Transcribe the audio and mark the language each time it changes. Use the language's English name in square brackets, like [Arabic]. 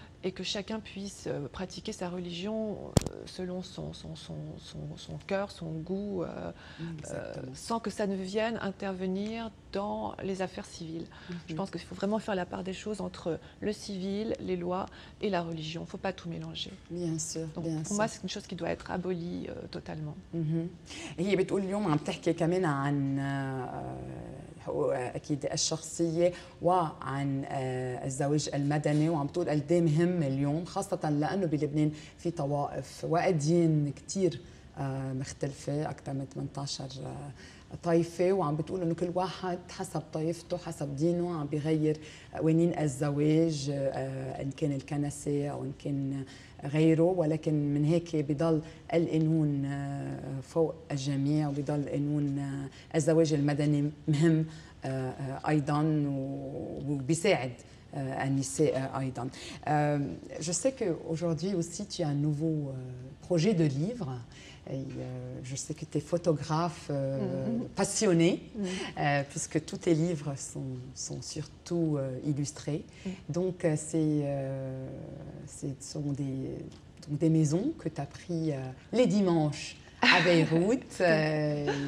[French] Et que chacun puisse pratiquer sa religion selon son cœur, son goût, sans que ça ne vienne intervenir dans les affaires civiles. Mm-hmm. Je pense qu'il faut vraiment faire la part des choses entre le civil, les lois et la religion. Il ne faut pas tout mélanger. Bien sûr. Donc, bien pour sûr. Moi, c'est une chose qui doit être abolie totalement. [Arabic] هي بتقول اليوم عم تحكي كمان عن أكيد الشخصية وعن الزواج المدني وعم تقول قد ايه مهم اليوم خاصة لأنه بلبنان في طوائف وأديان كتير مختلفة أكثر من 18 طائفة وعم بتقول إنه كل واحد حسب طائفته حسب دينه عم بيغير قوانين الزواج إن كان الكنسي أو إن كان غيره ولكن من هيك بضل القانون فوق الجميع وبضل القانون الزواج المدني مهم أيضا وبيساعد Anissé Aydan. [French] Je sais qu'aujourd'hui aussi tu as un nouveau projet de livre. Et je sais que tu es photographe passionné, puisque tous tes livres sont surtout illustrés. Mm-hmm. Donc ce sont des maisons que tu as pris les dimanches à Beyrouth. Ouais.